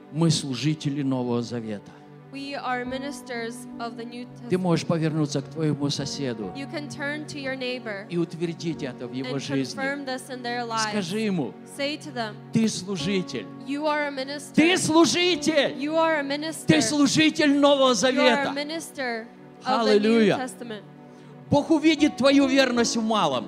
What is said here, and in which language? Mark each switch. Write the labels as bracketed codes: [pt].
[ru] мы служители Нового Завета. [en] We are ministers of the New Testament. [ru] Ты можешь повернуться к твоему соседу [en] you can turn to your neighbor [ru] и утвердить это в его [en] and [ru] жизни. [en] Confirm this in their lives. [ru] Скажи ему, [en] Say to them, [ru] ты служитель. [en] You are a minister. [ru] Ты служитель. [en] You are a minister. [ru] Ты служитель Нового Завета. [en] You are a minister of the New Testament. [ru] Бог увидит твою верность в малом.